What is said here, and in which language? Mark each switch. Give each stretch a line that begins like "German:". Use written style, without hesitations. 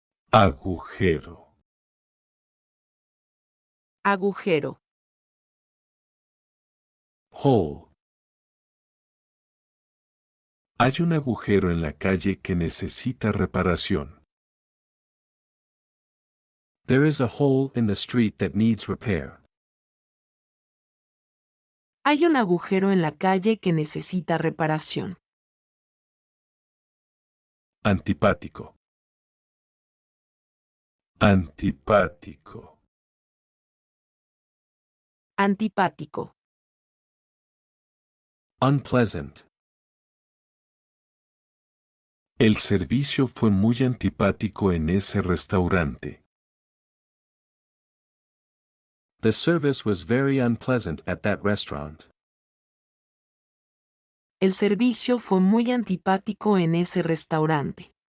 Spanish: Agujero. Agujero.
English: Hole.
Spanish: Hay un agujero en la calle que necesita reparación.
English: There is a hole in the street that needs repair.
Spanish: Hay un agujero en la calle que necesita reparación. Antipático. Antipático. Antipático.
English: Unpleasant.
Spanish: El servicio fue muy antipático en ese restaurante.
English: The service was very unpleasant at that restaurant.
Spanish: El servicio fue muy antipático en ese restaurante.